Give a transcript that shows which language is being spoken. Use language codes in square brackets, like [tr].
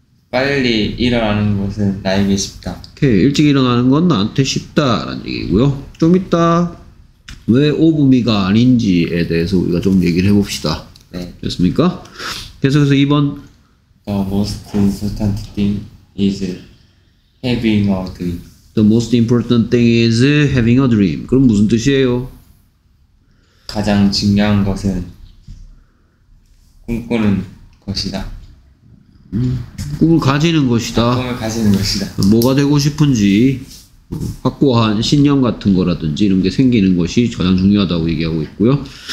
[ko] 빨리 일어나는 것은 나에게 쉽다. [en] Okay. [ko] 일찍 일어나는 건 나한테 쉽다라는 얘기고요. 좀 이따 왜 오브미가 아닌지에 대해서 우리가 좀 얘기를 해봅시다. 네. 됐습니까? 계속해서 2번. [en] The most important thing is having a dream. The most important thing is having a dream. [ko] 그럼 무슨 뜻이에요? 가장 중요한 것은 꿈꾸는 것이다. 꿈을 가지는 것이다. 꿈을 가지는 것이다. 뭐가 되고 싶은지 확고한 신념 같은 거라든지 이런 게 생기는 것이 가장 중요하다고 얘기하고 있고요.